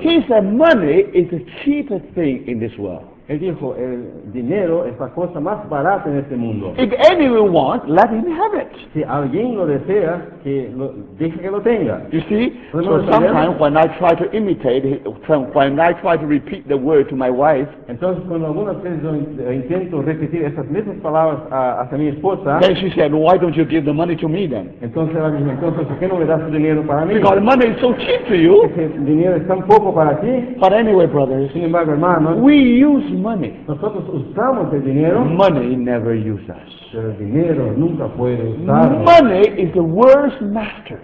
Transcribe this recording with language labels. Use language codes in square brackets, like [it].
[en] He said, money is the cheapest thing in this world. [es] Él dijo, el dinero es la cosa más barata en este mundo. [en] If anyone wants, let him have it. [es] Si alguien lo desea, que lo, deje que lo tenga. [en] You see? So sometimes when I try to imitate, when I try to repeat the word to my wife, [es] entonces cuando algunas veces yo intento repetir esas mismas palabras hacia mi esposa, [en] then she said, why don't you give the money to me then? [es] Entonces ella dice, entonces, ¿por qué no me das el dinero para mí? [en] Because money is so cheap to you. [es] Porque el dinero es tan poco para ti. [en] But anyway, brothers, [es] sin embargo, hermanos, [en] we use money. [es] Nosotros usamos el dinero. [en] Money never uses us. [es] Pero el dinero nunca puede usar. [en] Money is the worst master.